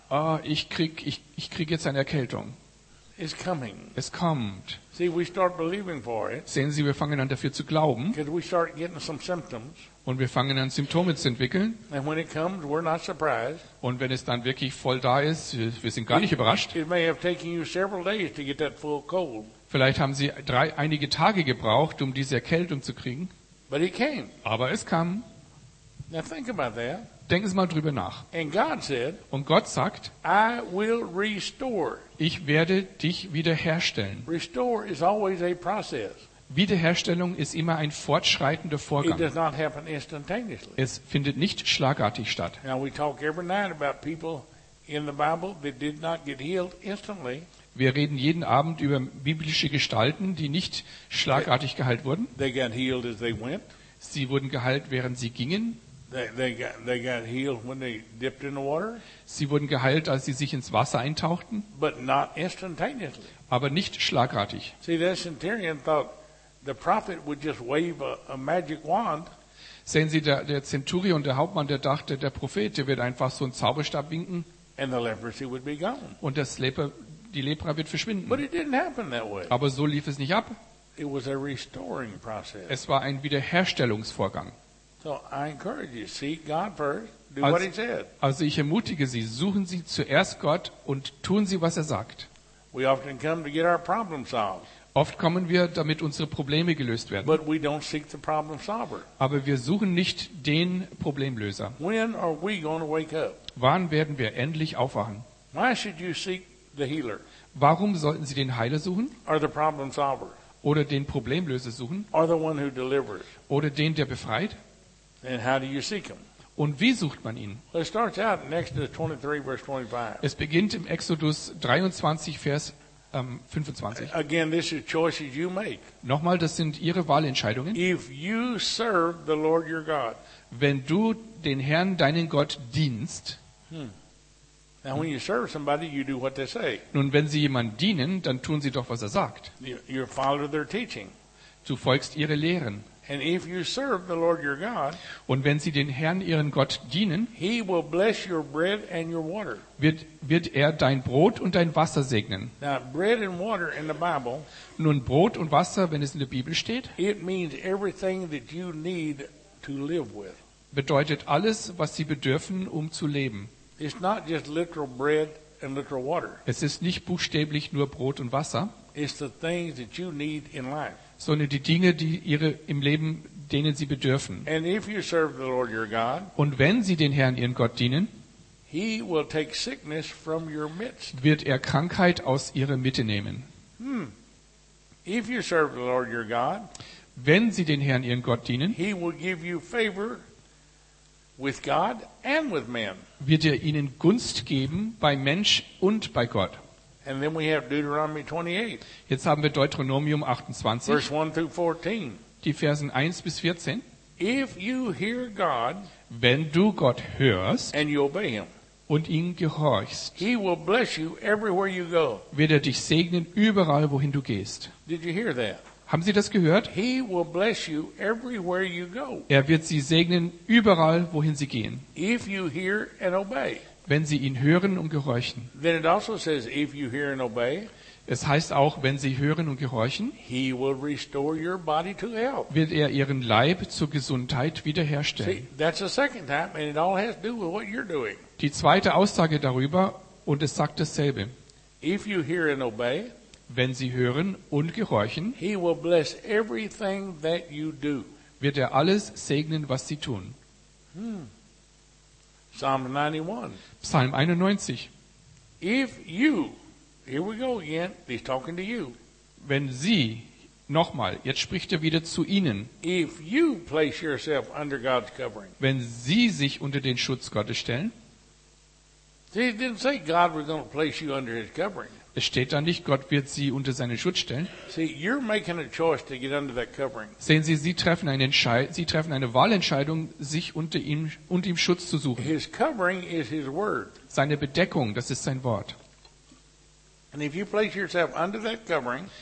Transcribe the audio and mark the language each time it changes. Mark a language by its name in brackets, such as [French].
[German] Oh, ich krieg jetzt eine Erkältung. [English] It's coming. [German] Es kommt. [English] See, we start believing for it. [German] Sehen Sie, wir fangen an dafür zu glauben. [English] Because we start getting some symptoms. [German] Und wir fangen an Symptome zu entwickeln. [English] And when it comes, we're not surprised. [German] Und wenn es dann wirklich voll da ist, wir sind gar nicht überrascht. [English] It may have taken you several days to get that full cold. [German] Vielleicht haben Sie einige Tage gebraucht, um diese Erkältung zu kriegen. [English] But it came. [German] Aber es kam. [English] Now think about that. [German] Denken Sie mal drüber nach. [English] And God said, [German] und Gott sagt, [English] I will restore. [German] Ich werde dich wiederherstellen. [English] Restore is always a process. [German] Wiederherstellung ist immer ein fortschreitender Vorgang. [English] It does not happen instantaneously. [German] Es findet nicht schlagartig statt. [English] Now we talk every night about people in the Bible that did not get healed instantly. [German] Wir reden jeden Abend über biblische Gestalten, die nicht schlagartig geheilt wurden. [English] They got healed as they went. [German] Sie wurden geheilt, während sie gingen. [English] They got healed when they dipped in the water. [German] Sie wurden geheilt, als sie sich ins Wasser eintauchten. [English] But not instantaneously. [German] Aber nicht schlagartig. [English] See, the centurion thought the prophet would just wave a magic wand. [German] Sehen Sie, der Zenturion, der Hauptmann, der dachte, der Prophet, der wird einfach so einen Zauberstab winken. [English] And the leprosy would be gone. [German] Und das Leper Die Lepra wird verschwinden. [English] But it didn't happen that way. [German] Aber so lief es nicht ab. [English] It was a restoring process. [German] Es war ein Wiederherstellungsvorgang. Also ich ermutige Sie, suchen Sie zuerst Gott und tun Sie, was er sagt. [English] We often come to get our problem solved. [German] Oft kommen wir, damit unsere Probleme gelöst werden. [English] But we don't seek the problem solver. [German] Aber wir suchen nicht den Problemlöser. [English] When are we going to wake up? [German] Wann werden wir endlich aufwachen? [English] Why should you seek the healer? [German] Warum sollten Sie den Heiler suchen? [English] Or the problem solver? [German] Oder den Problemlöser suchen? [English] Or the one who delivers? [German] Oder den, der befreit? [English] And how do you seek him? [German] Und wie sucht man ihn? [English] Well, it starts out in Exodus 23, verse 25. [German] Es beginnt im Exodus 23, Vers 25. [English] Again, this is choices you make. [German] Nochmal, das sind Ihre Wahlentscheidungen. [English] If you serve the Lord your God. [German] Wenn du den Herrn, deinen Gott, dienst. [English] Now when you serve somebody, you do what they say. [German] Nun, wenn Sie jemand dienen, dann tun Sie doch, was er sagt. [English] You follow their teaching. [German] Du folgst ihre Lehren. [English] And if you serve the Lord your God, [German] und wenn Sie den Herrn, Ihren Gott, dienen, [English] he will bless your bread and your water. [German] Wird er dein Brot und dein Wasser segnen. [English] Now, bread and water in the Bible, [German] nun, Brot und Wasser, wenn es in der Bibel steht, [English] it means everything that you need to live with. [German] Bedeutet alles, was Sie bedürfen, um zu leben. [English] It's not just literal bread and literal water. [German] Es ist nicht buchstäblich nur Brot und Wasser. [English] It's the things that you need in life. [German] Sondern die Dinge, die ihre im Leben, denen sie bedürfen. [English] And if you serve the Lord your God, [German] und wenn sie den Herrn ihren Gott dienen, [English] he will take sickness from your midst. [German] Wird er Krankheit aus ihrer Mitte nehmen. [English] If you serve the Lord your God, [German] wenn sie den Herrn ihren Gott dienen, [English] he will give you favor with God and with man. [German] Wird er ihnen Gunst geben bei Mensch und bei Gott. [English] And then we have Deuteronomy 28. [German] Jetzt haben wir Deuteronomium 28. [English] Verse 1 through 14. [German] Die Versen 1 bis 14. [English] If you hear God, [German] wenn du Gott hörst, [English] and you obey him, [German] und ihm gehorchst, [English] he will bless you everywhere you go. [German] Wird er dich segnen überall, wohin du gehst. [English] Did you hear that? [German] Haben Sie das gehört? [English] He will bless you everywhere you go. [German] Er wird Sie segnen, überall, wohin Sie gehen. [English] If you hear and obey. [German] Wenn Sie ihn hören und gehorchen. [English] Then it also says, if you hear and obey, [German] es heißt auch, wenn Sie hören und gehorchen, [English] he will restore your body to health. [German] Wird er Ihren Leib zur Gesundheit wiederherstellen. [English] See, that's the second time, and it all has to do with what you're doing. [German] Die zweite Aussage darüber, und es sagt dasselbe. [English] If you hear and obey, [German] wenn sie hören und gehorchen, [English] he will bless everything that you do. [German] Wird er alles segnen, was sie tun. [English] Psalm 91. [German] Psalm 91. [English] If you, here we go again, he's talking to you. [German] Wenn sie, nochmal, jetzt spricht er wieder zu ihnen. [English] If you place yourself under God's covering. [German] Wenn sie sich unter den Schutz Gottes stellen. [English] See, it didn't say God was going to place you under his covering. [German] Es steht da nicht, Gott wird sie unter seinen Schutz stellen. [English] See, you're making a choice to get under that covering. [German] Sehen Sie, sie treffen eine Wahlentscheidung, sich unter ihm und ihm Schutz zu suchen. [English] His covering is his word. [German] Seine Bedeckung, das ist sein Wort. [English] And if you place yourself under that covering,